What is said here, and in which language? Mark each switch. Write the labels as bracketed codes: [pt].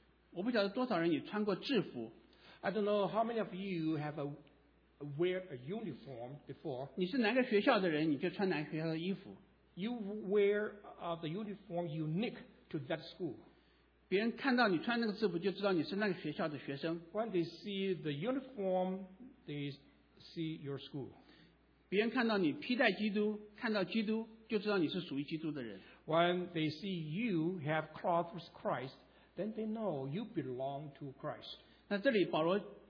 [zh] 我不晓得多少人也穿过制服。 [en] I don't know how many of you have wear a uniform before. [zh] 你是哪个学校的人，你就穿哪个学校的衣服。 [en] You wear the uniform unique to that school. [zh] 别人看到你穿那个制服，就知道你是那个学校的学生。 [en] When they see the uniform, they see your school. [zh] 别人看到你披戴基督，看到基督，就知道你是属于基督的人。 [en] When they see you have clothed with Christ, then they know you belong to Christ.